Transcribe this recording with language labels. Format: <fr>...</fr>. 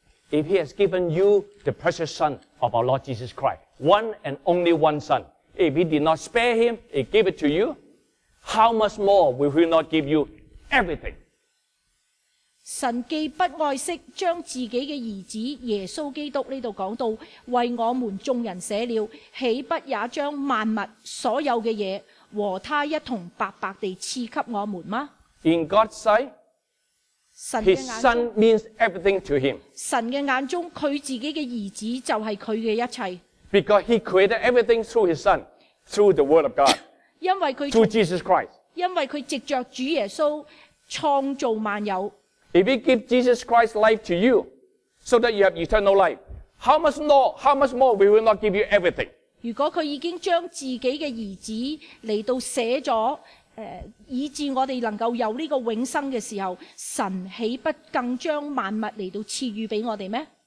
<en>If he has given you the precious son of our Lord Jesus Christ, one and only one son, if he did not spare him, he gave it to you, how much more will he not give you everything?</en> <zh>神既不爱惜，将自己的儿子耶稣基督这里讲到，为我们众人舍了，岂不也将万物所有的东西和他一同白白地赐给我们吗？</zh> <en>In God's sight, His Son means everything to Him.</en> <zh>神的眼中，他自己的儿子就是他的一切。</zh> <en>Because He created everything through His Son, through the Word of God,</en> <zh>因为他</zh> <en>through Jesus Christ.</en> <zh>因为他藉着主耶稣创造万有。</zh> <en>If he give Jesus Christ life to you, so that you have eternal life, how much more we will not give you everything?</en> <zh>如果他已经将自己的儿子来到写了，以致我们能够有这个永生的时候，神岂不更将万物来到赐予给我们吗？</zh>